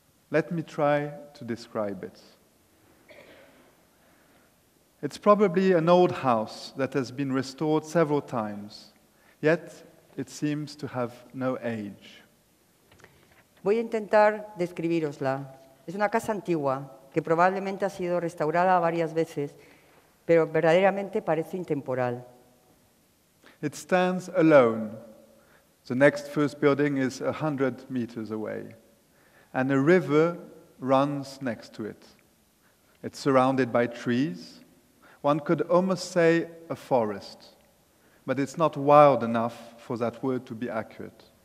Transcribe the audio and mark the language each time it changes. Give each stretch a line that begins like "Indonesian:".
English: Let me try to describe it. It's probably an old house that has been restored several times, yet it seems to have no age.
Spanish: Voy a intentar describirosla. Es una casa antigua que probablemente ha sido restaurada varias veces, pero verdaderamente parece intemporal.
English: It stands alone. The next first building is 100 meters away, and a river runs next to it. It's surrounded by trees. One could almost say a forest, but it's not wild enough for that word to be accurate.